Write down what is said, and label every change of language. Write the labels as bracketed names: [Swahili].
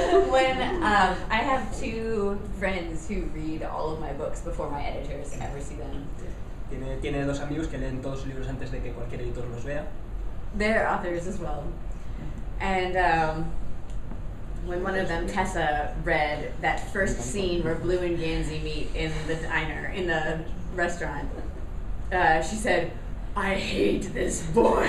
[English] When I have two friends who read all of my books before my editors ever see them. [Spanish] Tiene dos amigos que leen todos sus libros antes de que cualquier editor los vea. [English] They're authors as well. And when one of them, Tessa, read that first scene where Blue and Gansi meet in the diner, in the restaurant, she said, "I hate this boy."